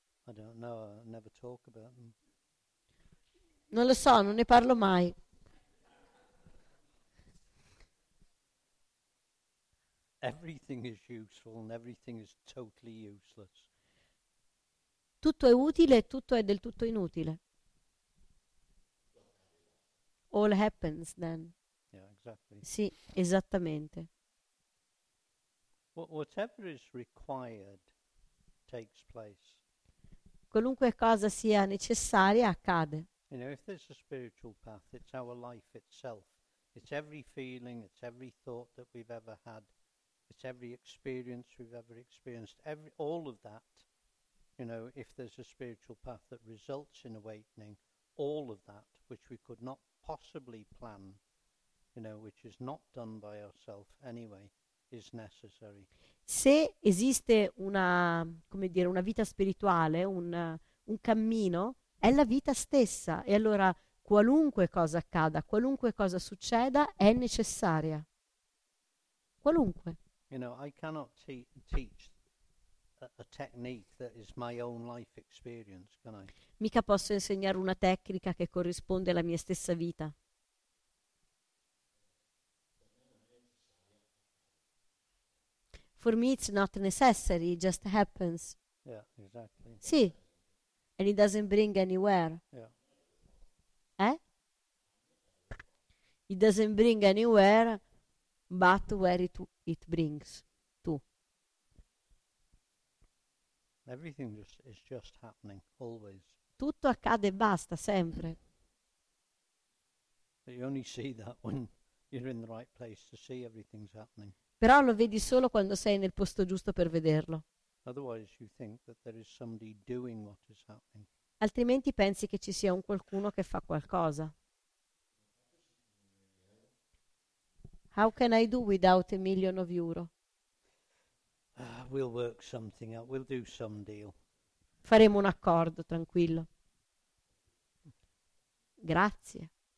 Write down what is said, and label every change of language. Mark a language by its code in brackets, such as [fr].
[en] I don't know, I never talk about them. [it] Non lo so, non ne parlo mai. [en] Everything is useful and everything is totally useless. [it] Tutto è utile e tutto è del tutto inutile. [en] All happens then. Yeah, exactly. [it] Sì, esattamente. [en] Whatever is required takes place. [it] Qualunque cosa sia necessaria accade. [en] You know, if there's a spiritual path, it's our life itself. It's every feeling, it's every thought that we've ever had. It's every experience we've ever experienced, all of that, you know, if there's a spiritual path that results in awakening, all of that, which we could not possibly plan, you know, which is not done by ourselves anyway, is necessary. [it] Se esiste una, come dire, una vita spirituale, un cammino, è la vita stessa, e allora qualunque cosa accada, qualunque cosa succeda, è necessaria. Qualunque. [en] You know, I cannot teach a technique that is my own life experience, can I? [it] Mica posso insegnare una tecnica che corrisponde alla mia stessa vita. [en] For me it's not necessary, it just happens. Yeah, exactly. Sì. And it doesn't bring anywhere. Yeah. Eh? It doesn't bring anywhere. But where it brings to. Everything just is just happening, always. [it] Tutto accade e basta, sempre. [en] But you only see that when you're in the right place to see everything's happening. [it] Però lo vedi solo quando sei nel posto giusto per vederlo. [en] Otherwise you think that there is somebody doing what is happening. [it] Altrimenti pensi che ci sia un qualcuno che fa qualcosa. [en] How can I do without a million of euro? We'll work something out. We'll do some deal. [it] Faremo un accordo, tranquillo. Grazie.